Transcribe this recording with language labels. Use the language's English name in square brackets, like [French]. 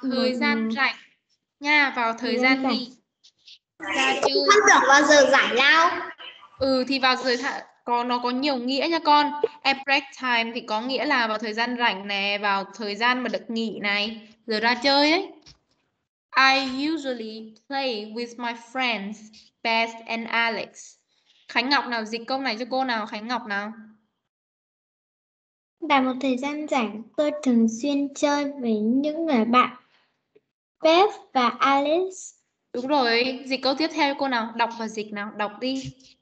[Vietnamese] thời gian rảnh. Nha, vào thời gian nghỉ. Ra chơi. Không được vào giờ giải lao. Ừ, thì vào giờ giải nó có nhiều nghĩa nha con. [English] At break time [Vietnamese] thì có nghĩa là vào thời gian rảnh nè, vào thời gian mà được nghỉ này, giờ ra chơi ấy. [English] I usually play with my friends, Beth and Alex. [Vietnamese] Khánh Ngọc nào, dịch câu này cho cô nào, Khánh Ngọc nào. Vào một thời gian rảnh, tôi thường xuyên chơi với những người bạn, Beth và Alex. Đúng rồi, dịch câu tiếp theo cho cô nào, đọc và dịch nào, đọc đi.